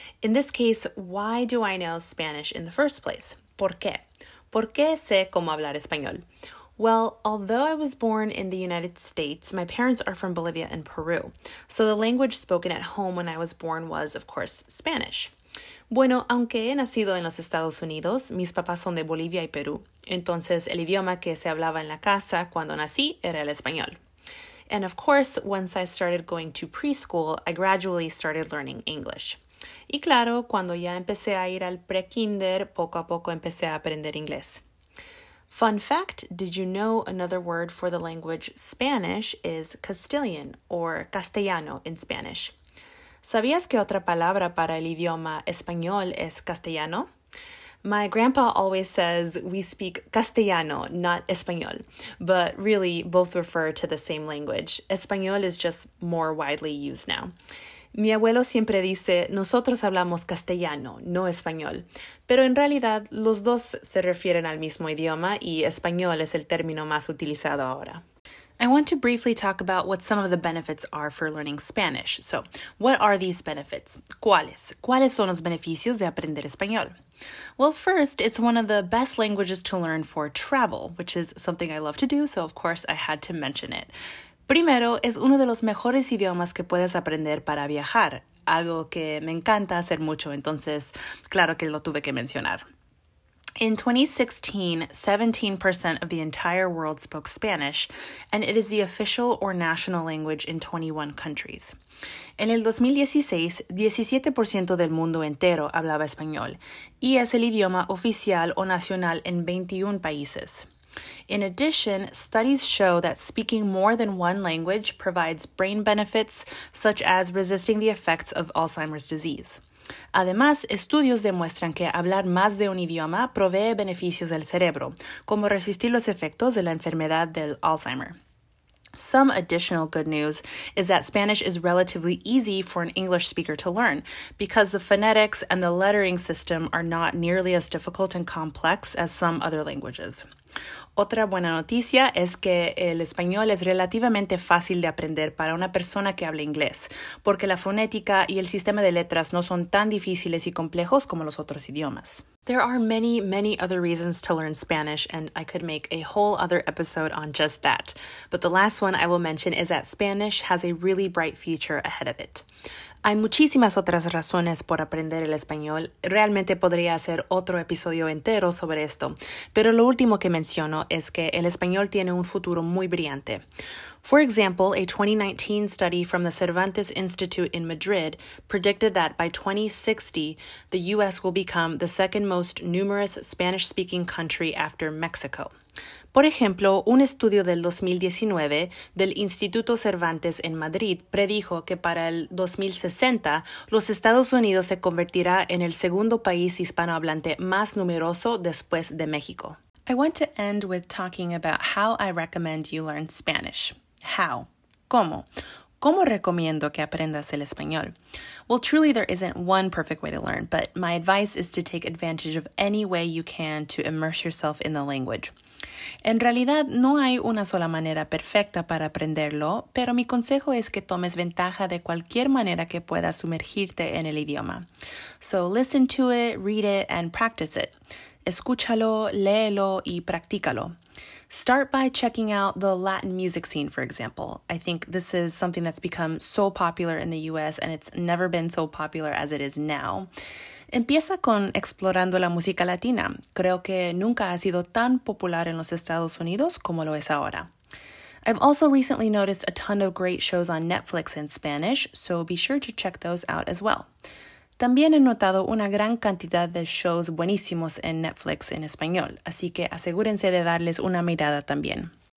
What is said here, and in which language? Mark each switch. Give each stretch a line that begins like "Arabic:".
English: In this case, why do I know Spanish in the first place?
Spanish: ¿Por qué? ¿Por qué sé cómo hablar español?
English: Well, although I was born in the United States, my parents are from Bolivia and Peru. So the language spoken at home when I was born was, of course, Spanish.
Spanish: Bueno, aunque he nacido en los Estados Unidos, mis papás son de Bolivia y Perú. Entonces, el idioma que se hablaba en la casa cuando nací era el español.
English: And of course, once I started going to preschool, I gradually started learning English.
Spanish: Y claro, cuando ya empecé a ir al pre-kinder, poco a poco empecé a aprender inglés.
English: Fun fact, did you know another word for the language Spanish is Castilian or castellano in Spanish?
Spanish: ¿Sabías que otra palabra para el idioma español es castellano?
English: My grandpa always says we speak castellano, not español, but really both refer to the same language. Español is just more widely used now.
Spanish: Mi abuelo siempre dice, nosotros hablamos castellano, no español. Pero en realidad, los dos se refieren al mismo idioma y español es el término más utilizado ahora.
English: I want to briefly talk about what some of the benefits are for learning Spanish. So, what are these benefits?
Spanish: ¿Cuáles? ¿Cuáles son los beneficios de aprender español?
English: Well, first, it's one of the best languages to learn for travel, which is something I love to do, so of course I had to mention it.
Spanish: Primero, es uno de los mejores idiomas que puedes aprender para viajar, algo que me encanta hacer mucho, entonces, claro que lo tuve que mencionar.
English: In 2016, 17% of the entire world spoke Spanish, and it is the official or national language in 21 countries.
Spanish: En el 2016, 17% del mundo entero hablaba español, y es el idioma oficial o nacional en 21 países.
English: In addition, studies show that speaking more than one language provides brain benefits, such as resisting the effects of Alzheimer's disease.
Spanish: Además, estudios demuestran que hablar más de un idioma provee beneficios al cerebro, como resistir los efectos de la enfermedad del Alzheimer.
English: Some additional good news is that Spanish is relatively easy for an English speaker to learn because the phonetics and the lettering system are not nearly as difficult and complex as some other languages.
Spanish: Otra buena noticia es que el español es relativamente fácil de aprender para una persona que habla inglés, porque la fonética y el sistema de letras no son tan difíciles y complejos como los otros idiomas.
English: There are many, many other reasons to learn Spanish, and I could make a whole other episode on just that. But the last one I will mention is that Spanish has a really bright future ahead of it.
Spanish: Hay muchísimas otras razones por aprender el español. Realmente podría hacer otro episodio entero sobre esto. Pero lo último que menciono es que el español tiene un futuro muy brillante.
English: For example, a 2019 study from the Cervantes Institute in Madrid predicted that by 2060, the U.S. will become the second most numerous Spanish-speaking country after Mexico.
Spanish: Por ejemplo, un estudio del 2019 del Instituto Cervantes en Madrid predijo que para el 2060, los Estados Unidos se convertirá en el segundo país hispanohablante más numeroso después de México.
English: I want to end with talking about how I recommend you learn Spanish. How?
Spanish: ¿Cómo? ¿Cómo recomiendo que aprendas el español?
English: Well, truly, there isn't one perfect way to learn, but my advice is to take advantage of any way you can to immerse yourself in the language.
Spanish: En realidad, no hay una sola manera perfecta para aprenderlo, pero mi consejo es que tomes ventaja de cualquier manera que puedas sumergirte en el idioma.
English: So listen to it, read it, and practice it.
Spanish: Escúchalo, léelo y practícalo.
English: Start by checking out the Latin music scene, for example. I think this is something that's become so popular in the US and it's never been so popular as it is now.
Spanish: Empieza con explorando la música latina. Creo que nunca ha sido tan popular en los Estados Unidos como lo es ahora.
English: I've also recently noticed a ton of great shows on Netflix in Spanish, so be sure to check those out as well.
Spanish: También he notado una gran cantidad de shows buenísimos en Netflix en español, así que asegúrense de darles una mirada también.